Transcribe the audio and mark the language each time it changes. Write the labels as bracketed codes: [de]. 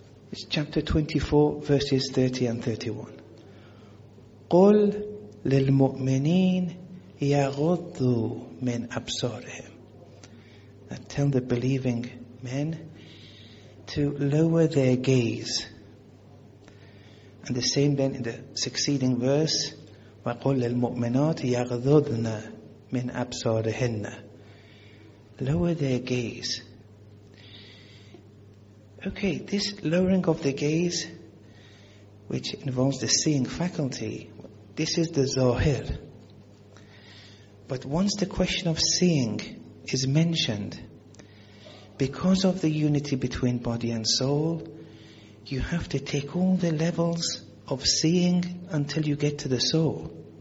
[en] It's chapter 24, verses 30 and 31. [ar] قُلْ لِلْمُؤْمِنِينَ يَغُضُّوا مِنْ أَبْصَارِهِمْ. [en] And tell the believing men to lower their gaze. And the same then in the succeeding verse, [ar] وقل للمؤمنات يغضضن من أبصارهن. [en] Lower their gaze. Okay, this lowering of the gaze, which involves the seeing faculty, this is the zahir. But once the question of seeing is mentioned, because of the unity between body and soul, you have to take all the levels of seeing until you get to the soul.